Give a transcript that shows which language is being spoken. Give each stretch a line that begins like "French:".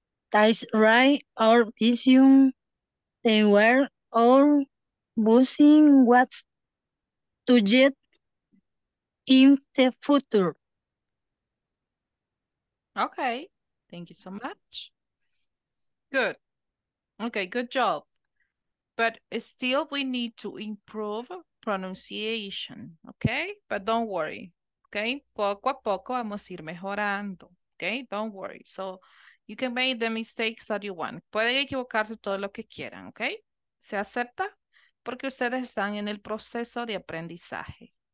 English: That's right, our vision, they were all boosting what to get in the future. Okay, thank you so much. Good. Okay, good job. But still, we need to improve pronunciation, okay? But don't worry, okay?
Spanish: Poco a poco vamos a ir mejorando, okay?
English: Don't worry. So you can make the mistakes that you want.
Spanish: Pueden equivocarse todo lo que quieran, okay? ¿Se acepta? Porque ustedes están en el proceso de aprendizaje.